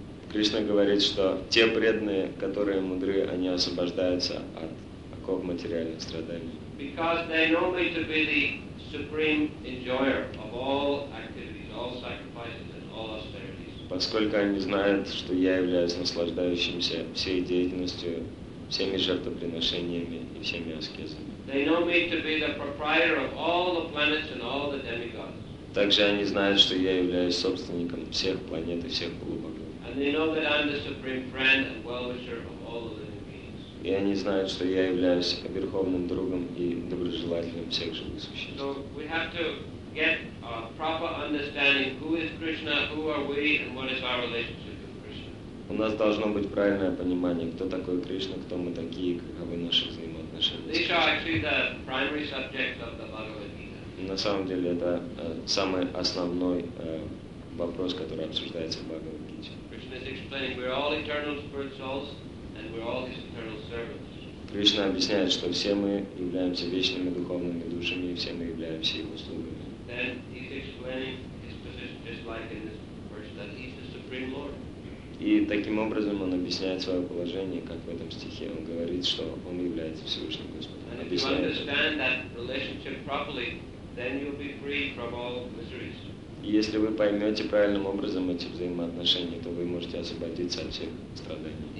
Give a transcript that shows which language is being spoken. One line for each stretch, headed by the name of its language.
Russian: Кришна говорит, что те преданные, которые мудры, они освобождаются от оков материальных страданий.
English: Because they know me to be the supreme enjoyer of all activities, all sacrifices and all austerities.
Russian: Поскольку они знают, что я являюсь наслаждающимся всей деятельностью, всеми жертвоприношениями и всеми аскезами.
English: They know me to be the proprietor of all the planets and all the demigods.
Russian: Также они знают, что я являюсь собственником всех планет и всех полубогов.
English: And they know that I'm the supreme friend and well-wisher of all the living beings.
Russian: И они знают, что я являюсь верховным другом и доброжелателем всех живых существ.
English: So we have to get a proper understanding who is Krishna, who are we, and what is our relationship with Krishna.
Russian: У нас должно быть правильное понимание, кто такой Кришна, кто мы такие, каковы наши взаимоотношения.
English: These are actually the primary subjects of the Bhagavad Gita.
Russian: На самом деле это самый основной вопрос, который обсуждается в Бхагавад Гите.
English: Is explaining we're all eternal spirit souls and we're all his eternal servants.
Russian: Кришна объясняет, что все мы являемся вечными духовными душами, и все мы являемся его слугами.
English: Then he's explaining his position just like in this verse that he's the supreme Lord.
Russian: И таким образом он объясняет свое положение, как в этом стихе. Он говорит, что он является Всевышним Господом.
English: And if you understand that relationship properly, then you'll be free from all miseries.
Russian: Если вы поймете правильным образом эти взаимоотношения, то вы можете освободиться от всех страданий.